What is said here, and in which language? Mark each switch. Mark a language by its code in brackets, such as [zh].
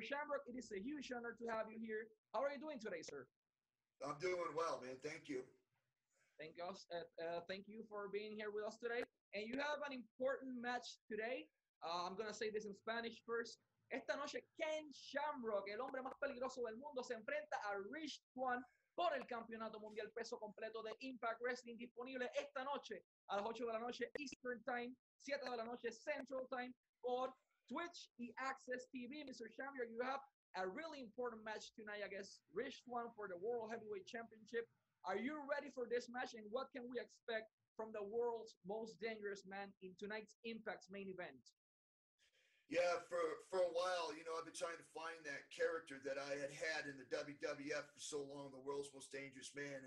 [en] Shamrock, it is a huge honor to have you here. How are you doing today, sir? I'm doing well, man. Thank you. Thank you. Thank you for being here with us today. And you have an important match today. I'm going to say this in Spanish first. [es] Esta noche, Ken Shamrock, el hombre más peligroso del mundo, se enfrenta a Rich Swann por el Campeonato Mundial Peso Completo de Impact Wrestling, disponible esta noche a las 8 de la noche Eastern Time, 7 de la noche Central Time, por Twitch y Access TV. [en] Mr. Shamrock, you have a really important match tonight against Rich Swann for the World Heavyweight Championship. Are you ready for this match, and what can we expect from the world's most dangerous man in tonight's Impact's main event? Yeah, for a while, you know, I've been trying to find that character that I had had in the WWF for so long, the world's most dangerous man.